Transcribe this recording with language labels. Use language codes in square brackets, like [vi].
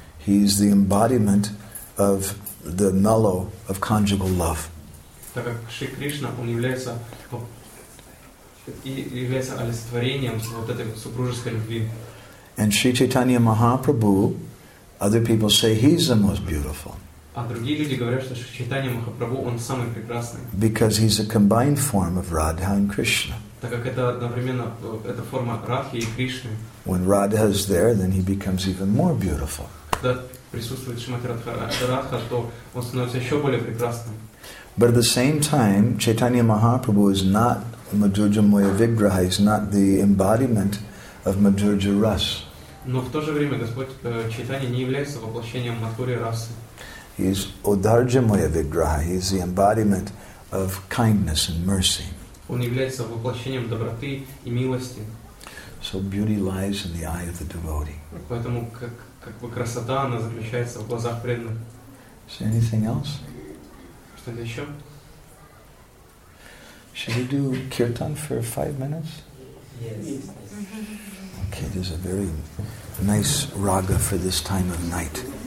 [en] He is the embodiment of the mellow of conjugal love. [ru] Так как Шри Кришна он является олицетворением вот этой супружеской любви. [en] And Shri Chaitanya Mahaprabhu, other people say he's the most beautiful. [ru] А другие люди говорят, что Чайтанья Махапрабху он самый прекрасный. [en] Because he's a combined form of Radha and Krishna. [ru] Так как это одновременно это форма Радхи и Кришны. [en] When Radha is there, then he becomes even more beautiful. [ru] Когда присутствует Шримати Радха, то он становится еще более прекрасным. [en] But at the same time, Чайтанья Махапрабху is not Madhurjamaya Vigraha. He's not the embodiment of Madhurja Ras. [ru] Но в то же время Господь Чайтанья не является воплощением Мадхури Расы. [en] He is Odarjamaya Vigraha. He is the embodiment of kindness and mercy. [ru] Он является воплощением доброты и милости. [en] So beauty lies in the eye of the devotee. [ru] Поэтому как бы красота она заключается в глазах преданных. [en] Is there anything else? [ru] Что-то еще? [en] Should we do kirtan for 5 minutes? Yes. Okay, there's a very nice raga for this time of night.